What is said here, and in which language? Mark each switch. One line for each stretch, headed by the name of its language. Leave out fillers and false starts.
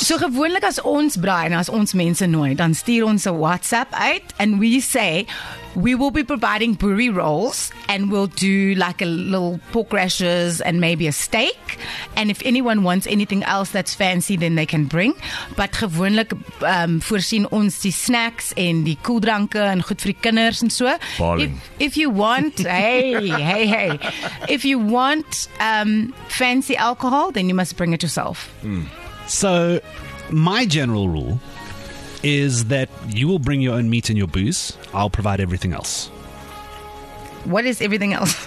English: So,
Afrikaans: gewoonlik as ons braai en as ons mense nooi, dan stuur ons 'n WhatsApp uit,
English: and we say, we will be providing brewery rolls, and we'll do like a little pork rashers and maybe a steak. And if anyone wants anything else that's fancy, then they can bring.
Afrikaans: But gewoonlik voorsien ons die snacks en die koeldranke en goed vir die kinders en so.
English: If you want, hey. If you want fancy alcohol, then you must bring it yourself. Mm. So my general rule is that you will bring your own meat and your booze. I'll provide everything else. What is everything else?